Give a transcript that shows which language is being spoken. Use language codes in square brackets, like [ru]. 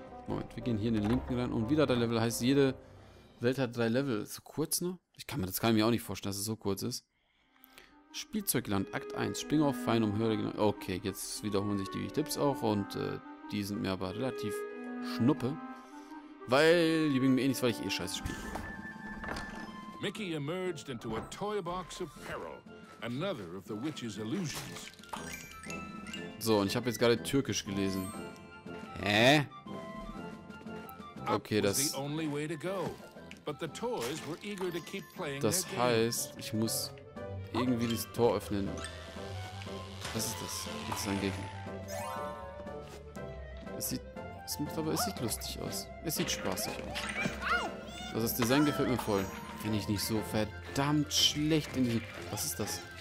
[de] Moment, wir gehen hier in den linken rein. Und wieder drei Level. Heißt, jede Welt hat drei Level. Ist so kurz, ne? Das kann ich mir auch nicht vorstellen, dass es so kurz ist. Spielzeugland, Akt 1. Spring auf fein, um höhere Gelände. Okay, jetzt wiederholen sich die Tipps auch. Und die sind mir aber relativ schnuppe. Weil die bringen mir eh nichts, weil ich eh scheiße spiele. [en] Mickey emerged into a toy box of peril, another of the witch's illusions. [de] So, und ich habe jetzt gerade Türkisch gelesen. Hä? Okay, das. [en] The only way to go. But the toys were eager to keep playing. [de] Das heißt, ich muss irgendwie das Tor öffnen. Was ist das? Das ist ein Gegner. Es sieht lustig aus. Es sieht spaßig aus. Also das Design gefällt mir voll. Bin ich nicht so verdammt schlecht in die... Was ist das?